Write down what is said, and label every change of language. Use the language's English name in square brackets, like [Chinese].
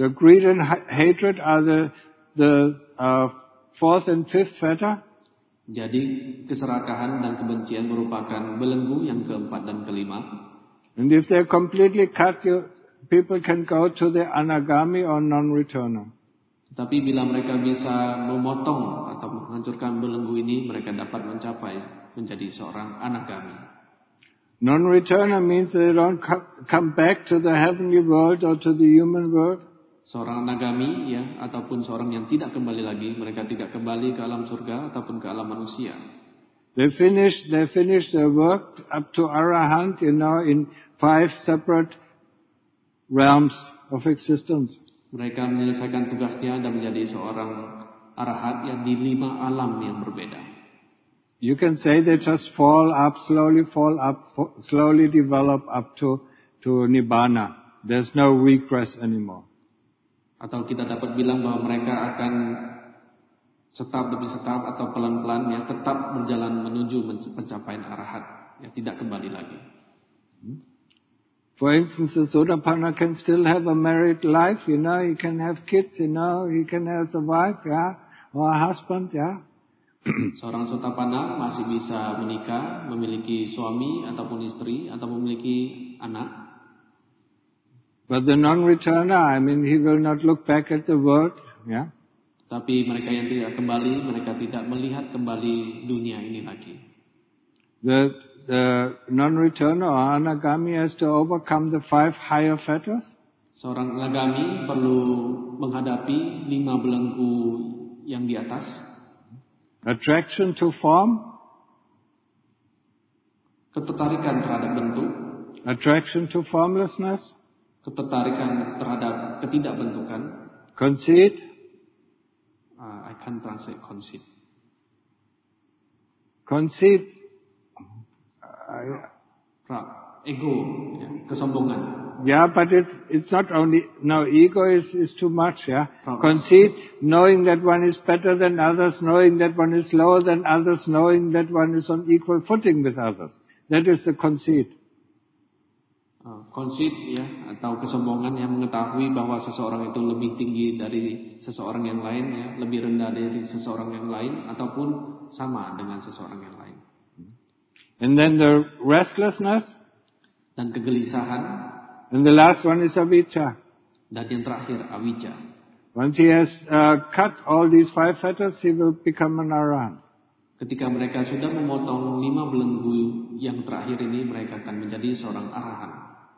[English] So greed and hatred are the the fourth and fifth fetter. [Indonesian] Jadi keserakahan dan kebencian merupakan belenggu yang keempat dan kelima. [English] And if they're completely cut, people can go to the anagami or non-returner. [Indonesian] Tapi bila mereka bisa memotong atau menghancurkan belenggu ini, mereka dapat mencapai menjadi seorang anagami. [English] Non-returner means they don't come back to the heavenly world or to the human world. [Indonesian] Seorang anagami, ya, ataupun seorang yang tidak kembali lagi, mereka tidak kembali ke alam surga ataupun ke alam manusia. [English] They finish their work up to arahant, you know, in five separate realms of existence. [Indonesian] Mereka menyelesaikan tugasnya dan menjadi seorang arahat yang di lima alam yang berbeda. [English] You can say they just fall up, slowly develop up to nibbana. There's no regress anymore. [Indonesian] Atau kita dapat bilang bahwa mereka akan setap demi setap atau pelan-pelan ya tetap berjalan menuju pencapaian arahat, ya tidak kembali lagi. [English] For instance, the Sotapanna can still have a married life, you know, he can have kids, you know, he can have a wife, yeah, or a husband, yeah. [Indonesian] Seorang Sotapanna masih bisa menikah, memiliki suami ataupun istri atau memiliki anak. [English] But the non-returner, I mean, he will not look back at the world, yeah. [Indonesian] Tapi mereka yang tidak kembali, mereka tidak melihat kembali dunia ini lagi. [English] The non-returner or anagami has to overcome the five higher fetters. [Indonesian] Seorang anagami perlu menghadapi lima belenggu yang di atas. [English] Attraction to form. [Indonesian] Ketertarikan terhadap bentuk. [English] Attraction to formlessness. [Indonesian] Ketertarikan terhadap ketidakbentukan. [English] Conceit. I can't translate conceit. Conceit. Ego, yeah. [Indonesian] Kesombongan. [English] Yeah, but it's not only, no, ego is too much, yeah. Conceit, knowing that one is better than others, knowing that one is lower than others, knowing that one is on equal footing with others. That is the conceit. Conceit, yeah, [Indonesian] atau kesombongan yang mengetahui bahwa seseorang itu lebih tinggi dari seseorang yang lain, ya, lebih rendah dari seseorang yang lain, ataupun sama dengan seseorang yang lain. [English] And then the restlessness. [Indonesian] Dan kegelisahan. [English] And the last one is avijja. [Indonesian] Dan yang terakhir, avijja. [English] Once he has cut all these five fetters, he will become an arahant. [Indonesian] Ketika mereka sudah memotong lima belenggu yang terakhir ini, mereka akan menjadi seorang arahant.